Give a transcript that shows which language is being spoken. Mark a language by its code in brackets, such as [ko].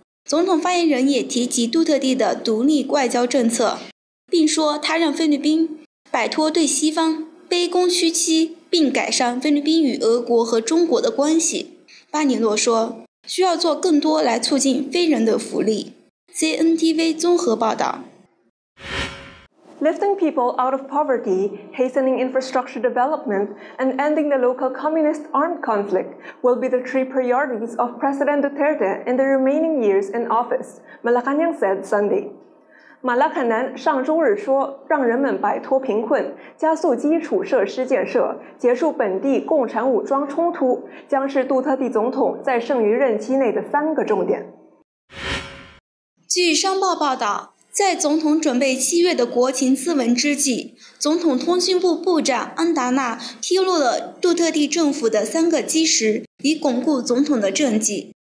[zh] 总统发言人也提及杜特地的独立外交政策，并说他让菲律宾摆脱对西方卑躬屈膝，并改善菲律宾与俄国和中国的关系。巴尼诺说需要做更多来促进非人的福利。 CNTV 综合报道。 [en] Lifting people out of poverty, hastening infrastructure development, and ending the local communist armed conflict will be the three priorities of President Duterte in the remaining years in office, Malacañang said Sunday. [zh] 马拉坎南上周日说，让人们摆脱贫困，加速基础设施建设，结束本地共产武装冲突，将是杜特地总统在剩余任期内的三个重点。据商报报道，在总统准备七月的国情咨文之际，总统通讯部部长安达纳披露了杜特地政府的三个基石，以巩固总统的政绩。